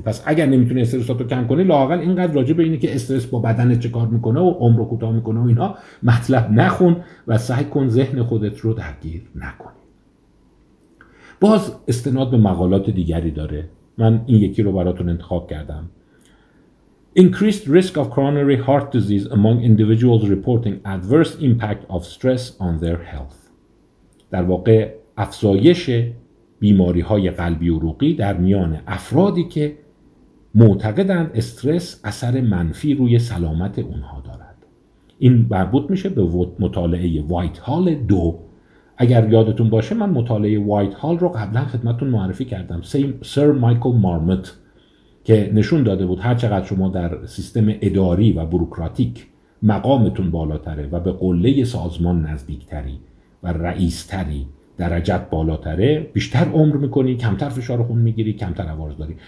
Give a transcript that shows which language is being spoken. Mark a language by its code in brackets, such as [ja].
[fa] پس اگر نمیتونی استرساتو کم کنی، لااقل اینقدر راجع به اینه که استرس با بدن چه کار میکنه و عمر رو کوتاه میکنه و اینا مطلب نخون و سعی کن ذهن خودت رو درگیر نکنی. باز استناد به مقالات دیگری داره، من این یکی رو براتون انتخاب کردم. [en] Increased risk of coronary heart disease among individuals reporting adverse impact of stress on their health. [fa] در واقع افزایش بیماری های قلبی و عروقی در میان افرادی که معتقدند استرس اثر منفی روی سلامت اونها دارد. این مربوط میشه به مطالعه وایت هال 2. اگر یادتون باشه من مطالعه وایت هال رو قبلا خدمتتون معرفی کردم، سر مایکل مارموت، که نشون داده بود هر چقدر شما در سیستم اداری و بوروکراتیک مقامتون بالاتره و به قله سازمان نزدیکتری و رئیستری، درجت بالاتره، بیشتر عمر میکنی، کمتر فشار خون میگیری، کمتر عوارض داری.